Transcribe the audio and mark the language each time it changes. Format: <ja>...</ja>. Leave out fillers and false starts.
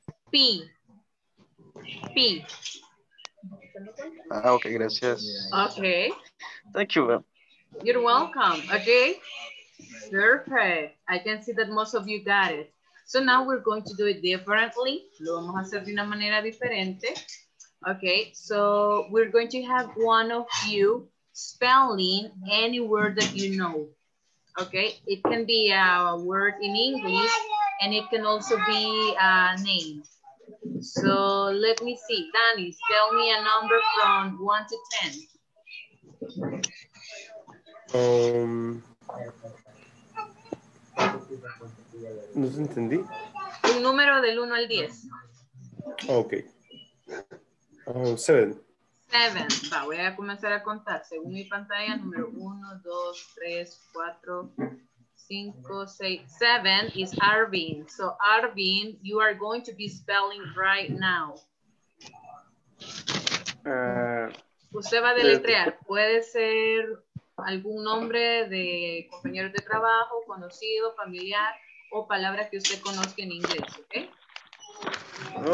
<es>P. P. Ah, okay, gracias.</es> <en>Okay. Thank you. You're welcome. Okay. Perfect. I can see that most of you got it. So now we're going to do it differently.</en> <es>Lo vamos a hacer de una manera diferente.</es> <en>Okay. So we're going to have one of you spelling any word that you know. Okay. It can be a word in English and it can also be a name. So let me see. Danny, tell me a number from 1 to 10.</en> <es>No se entendí. Un número del 1 al 10. Ok. 7. 7. Va, voy a comenzar a contar. Según mi pantalla, número 1, 2, 3, 4, 5, 6, 7 is Arvin.</es> <en>So, Arvin, you are going to be spelling right now.</en> <es>Usted va a deletrear. Puede ser algún nombre de compañero de trabajo, conocido, familiar, o palabra que usted conozca en inglés, ¿ok?</es>